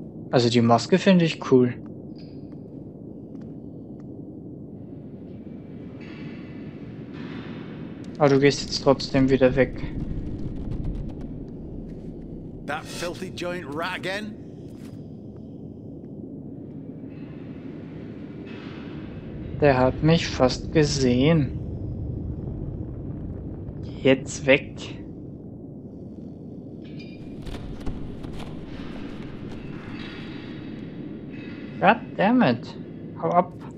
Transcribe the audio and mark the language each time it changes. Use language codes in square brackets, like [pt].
[de] Also die Maske finde ich cool. Aber du gehst jetzt trotzdem wieder weg. [en] That filthy joint rat again. [de] Der hat mich fast gesehen. Jetzt weg. [en] God damn it. [de] Hau ab.